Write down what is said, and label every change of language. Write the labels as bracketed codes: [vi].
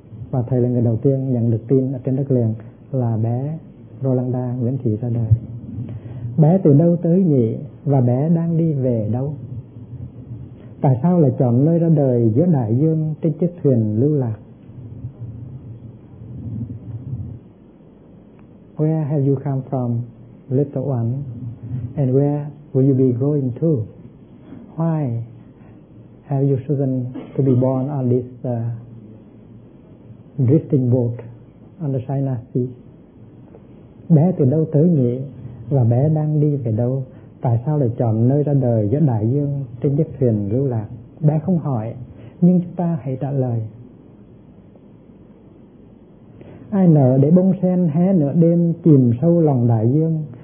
[vi] Và thầy là người đầu tiên nhận được tin ở trên đất liền là bé Rolanda Nguyễn Thị ra đời. Bé từ đâu tới nhỉ? Và bé đang đi về đâu? Tại sao lại chọn nơi ra đời giữa đại dương trên chiếc thuyền lưu lạc? [en] Where have you come from, little one? And where will you be going to? Why have you chosen to be born on this drifting boat on the China Sea? [vi] Bé từ đâu tới nhỉ? Và bé đang đi về đâu? Tại sao lại chọn nơi ra đời giữa đại dương trên chiếc thuyền lưu lạc? Bé không hỏi, nhưng chúng ta hãy trả lời. Ai nở để bông sen hé nửa đêm chìm sâu lòng đại dương?